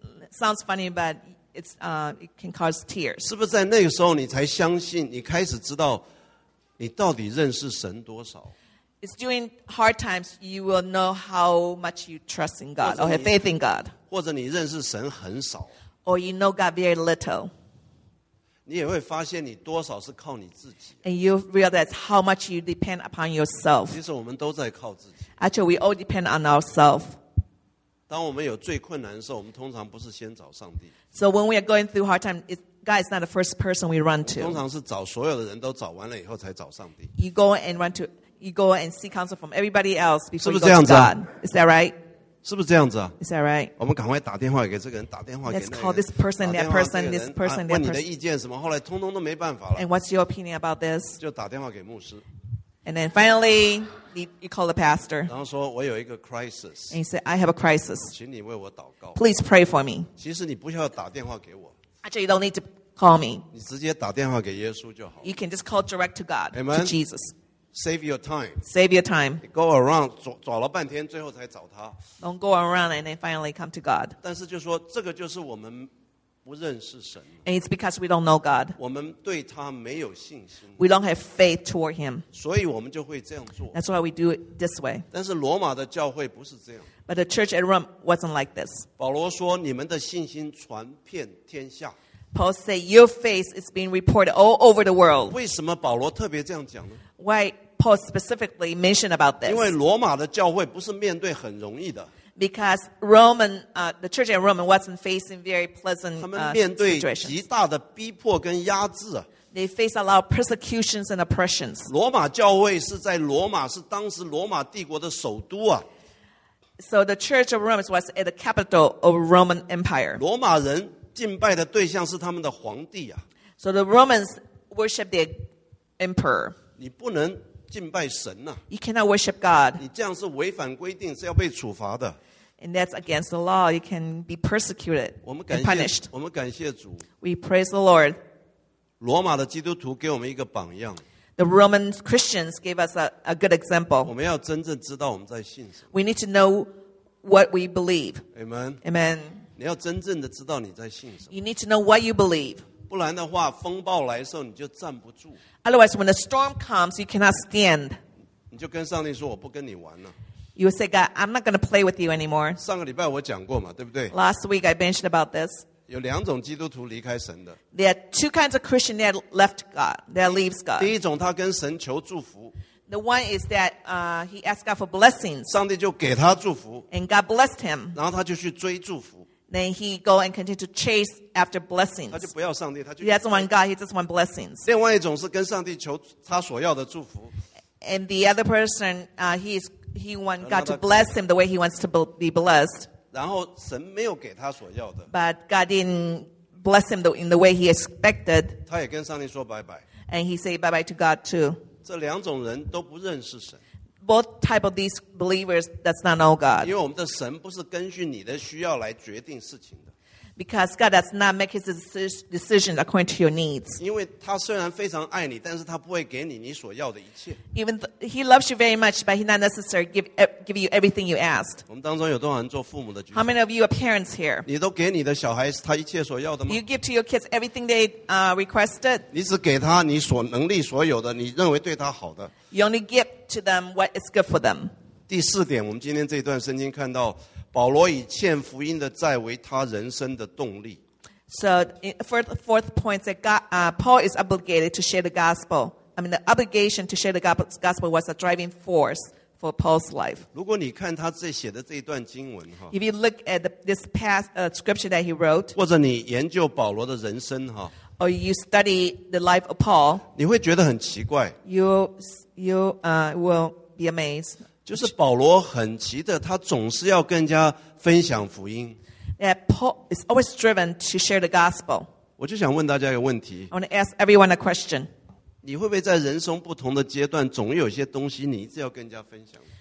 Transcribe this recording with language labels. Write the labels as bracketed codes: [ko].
[en] Sounds funny, but it can cause tears. [zh] 是不是在那个时候你才相信，你开始知道你到底认识神多少？ [en] It's during hard times you will know how much you trust in God or have faith in God. [zh] 或者你认识神很少。 [en] Or you know God very little. [zh] 你也会发现你多少是靠你自己。 [en] And you realize how much you depend upon yourself. [zh] 其实我们都在靠自己。 [en] Actually, we all depend on ourselves. [zh] 当我们有最困难的时候，我们通常不是先找上帝。 [en] So when we are going through hard times, it's... God is not the first person we run to. [zh] 通常是找所有的人都找完了以后才找上帝。 [en] You go and seek counsel from everybody else before [zh] 是不是这样子啊? [en] you go to God. Is that right? [zh] 是不是这样子啊? [en] Is that right? [zh] 我们赶快打电话给这个人，打电话给那个人。 [en] Let's call this person, that person, this person, that person. [zh] 问你的意见什么？后来通通都没办法了。 [en] And what's your opinion about this? [zh] 就打电话给牧师。 [en] And then finally, you call the pastor. [zh] 然后说我有一个 crisis. [en] And you say, I have a crisis. [zh] 请你为我祷告。 [en] Please pray for me. [zh] 其实你不需要打电话给我。 [en] Actually, you don't need to call me. [zh] 你直接打电话给耶稣就好。 [en] You can just call direct to God, Amen? To Jesus. Save your time. Save your time. Go around, [zh] 找了半天，最后才找他。 [en] Don't go around and then finally come to God. [zh] 但是就说这个就是我们不认识神。 [en] And it's because we don't know God. [zh] 我们对他没有信心。 [en] We don't have faith toward Him. [zh] 所以我们就会这样做。 [en] That's why we do it this way. [zh] 但是罗马的教会不是这样。 [en] But the church at Rome wasn't like this. [zh] 保罗说：“你们的信心传遍天下。” [en] Paul said, "Your faith is being reported all over the world." [zh] 为什么保罗特别这样讲呢？ [en] Why Paul specifically mentioned about this? [zh] 因为罗马的教会不是面对很容易的。 [en] Because Roman, the church in Rome wasn't facing very pleasant situations. [zh] 他们面对极大的逼迫跟压制。 [en] They face a lot of persecutions and oppressions. [zh] 罗马教会是在罗马，是当时罗马帝国的首都啊。 [en] So the church of Rome was at the capital of Roman Empire. [zh] 罗马人敬拜的对象是他们的皇帝啊。 [en] So the Romans worshipped their emperor. [zh] 你不能敬拜神啊。 [en] You cannot worship God. [zh] 你这样是违反规定，是要被处罚的。 [en] And that's against the law. You can be persecuted and punished. [zh] 我们感谢主。 [en] We praise the Lord. [zh] 罗马的基督徒给我们一个榜样。 [en] The Roman Christians gave us a good example. [zh] 我们要真正知道我们在信什么。 [en] We need to know what we believe. Amen. Amen. [zh] 你要真正的知道你在信什么。 [en] You need to know what you believe. [zh] 不然的话，风暴来的时候你就站不住。 [en] Otherwise, when the storm comes, you cannot stand. [zh] 你就跟上帝说，我不跟你玩了。 [en] You say, God, I'm not going to play with you anymore. [zh] 上个礼拜我讲过嘛，对不对 [en] ？Last week I mentioned about this. [zh] 有两种基督徒离开神的。 [en] There are two kinds of Christian that left God, that leaves God. [zh] 第一种，他跟神求祝福。 [en] The one is that he asked God for blessings. [zh] 上帝就给他祝福。 [en] And God blessed him. [zh] 然后他就去追祝福。 [en] Then he go and continue to chase after blessings. [zh] 他就不要上帝，他就 [en] He doesn't want God. He just want blessings. [zh] 另外一种是跟上帝求他所要的祝福。 [en] And the other person, he want God to bless him the way he wants to be blessed. [zh] 然后神没有给他所要的。 [en] But God didn't bless him in the way he expected. [zh] 他也跟上帝说拜拜。 [en] And he say bye bye to God too. [zh] 这两种人都不认识神。 [en] Both type of these believers does not know God. [zh] 因为我们的神不是根据你的需要来决定事情的。 [en] Because God does not make his decision according to your needs. [zh] 因为他虽然非常爱你，但是他不会给你你所要的一切。 [en] Even he loves you very much, but he not necessary give you everything you asked. [zh] 我们当中有多少人做父母的？ [en] How many of you are parents here? [zh] 你都给你的小孩他一切所要的吗？ [en] You give to your kids everything they requested. [zh] 你只给他你所能力所有的，你认为对他好的。 [en] You only give to them what is good for them. [zh] 第四点，我们今天这一段圣经看到。保罗以欠福音的债为他人生的动力。 [en] So, fourth point that God, Paul is obligated to share the gospel. I mean, the obligation to share the gospel was a driving force for Paul's life. [zh] 如果你看他这写的这一段经文 [en] If you look at this past scripture that he wrote, [zh] 或者你研究保罗的人生 [en] or you study the life of Paul, [zh] 你会觉得很奇怪。 [en] You will be amazed. [zh] 就是保罗很急的，他总是要跟人家分享福音。 [en] That Paul is always driven to share the gospel. [zh] 我就想问大家一个问题。 [en] I want to ask everyone a question. [zh] 你会不会在人生不同的阶段，总有些东西你一直要跟人家分享